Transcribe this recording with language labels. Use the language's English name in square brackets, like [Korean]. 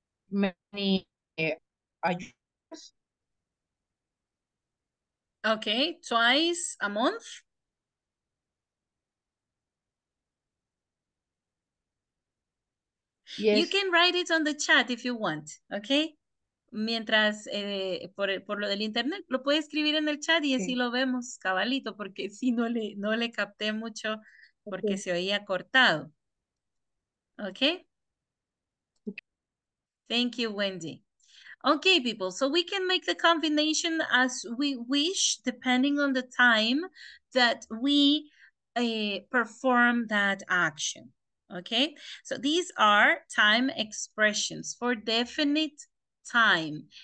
[English] many hours? Okay, twice a month? Yes. You can write it on the chat if you want, okay? [Spanish] Mientras, por lo del internet, lo puede escribir en el chat y así lo vemos cabalito, porque si no le, no le capté mucho, porque se oía cortado. [English] Okay? Thank you, Wendy. Okay, people, so we can make the combination as we wish, depending on the time that we perform that action. Okay, so these are time expressions for definite time.